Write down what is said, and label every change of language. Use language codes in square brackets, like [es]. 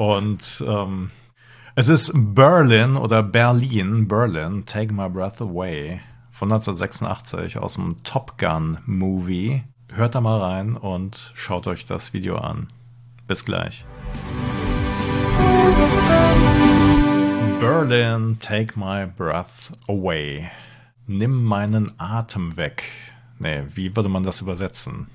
[de] Und es ist Berlin, Take My Breath Away von 1986 aus dem Top Gun Movie. Hört da mal rein und schaut euch das Video an. Bis gleich. [en] Berlin, take my breath away. [de] Nimm meinen Atem weg. Nee, wie würde man das übersetzen?